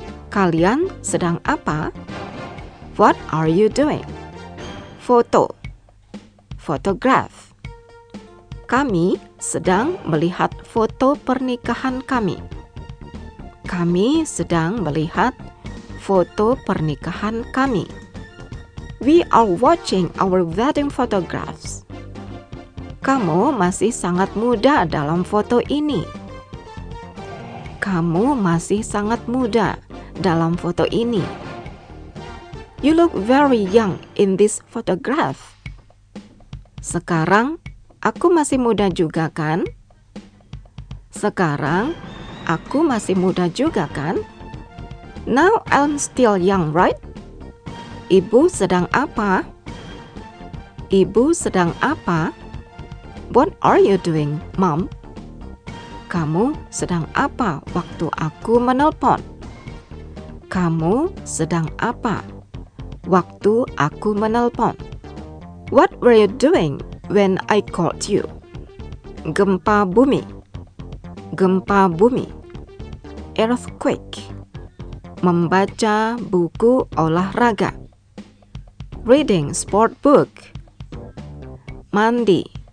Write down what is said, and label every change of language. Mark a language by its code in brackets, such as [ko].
[id] Kalian sedang apa? [en] What are you doing? Foto. Photograph. [id] Kami sedang melihat foto pernikahan kami. Kami sedang melihat foto pernikahan kami. [en] We are watching our wedding photographs. [id] Kamu masih sangat muda dalam foto ini. Kamu masih sangat muda dalam foto ini. [en] You look very young in this photograph. [id] Sekarang, aku masih muda juga kan? Sekarang, aku masih muda juga kan? [en] Now I'm still young, right? [id] Ibu sedang apa? Ibu sedang apa? [en] What are you doing, Mom? [id] Kamu sedang apa waktu aku menelpon? Kamu sedang apa waktu aku menelpon? [en] What were you doing when I called you? [id] Gempa bumi. Gempa bumi. [en] Earthquake. [id] Membaca buku olahraga. [en] Reading sport book. [id] Mandi.